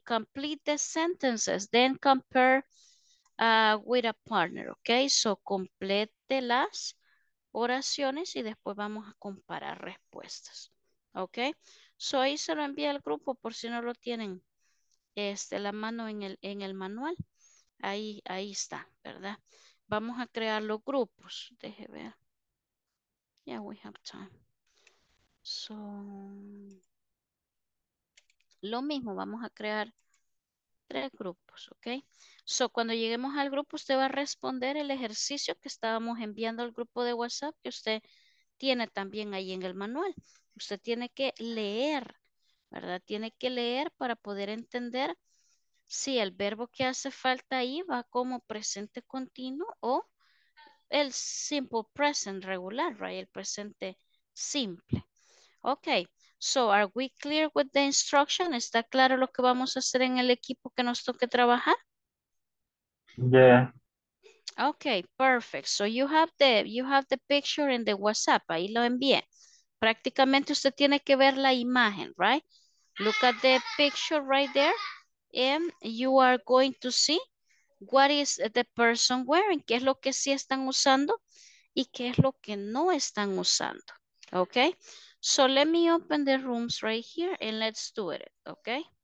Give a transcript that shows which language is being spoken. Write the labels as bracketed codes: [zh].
[en] Complete the sentences, then compare with a partner, okay? [es] So, complete las oraciones y después vamos a comparar respuestas, okay? So, ahí se lo envía al grupo por si no lo tienen la mano en el manual. Ahí está, ¿verdad? Vamos a crear los grupos. Deje ver. [en] Yeah, we have time. So... [es] lo mismo, vamos a crear tres grupos, ¿ok? So, cuando lleguemos al grupo, usted va a responder el ejercicio que estábamos enviando al grupo de WhatsApp que usted tiene también ahí en el manual. Usted tiene que leer, ¿verdad? Tiene que leer para poder entender si el verbo que hace falta ahí va como presente continuo o el simple present regular, ¿verdad? El presente simple. [en] Ok. So, are we clear with the instruction? [es] ¿Está claro lo que vamos a hacer en el equipo que nos toque trabajar? [en] Yeah. Okay, perfect. So, you have the picture in the WhatsApp. [es] Ahí lo envié. Prácticamente usted tiene que ver la imagen, right? [en] Look at the picture right there. And you are going to see what is the person wearing. [es] ¿Qué es lo que sí están usando? ¿Y qué es lo que no están usando? [en] Okay. So let me open the rooms right here and let's do it, okay?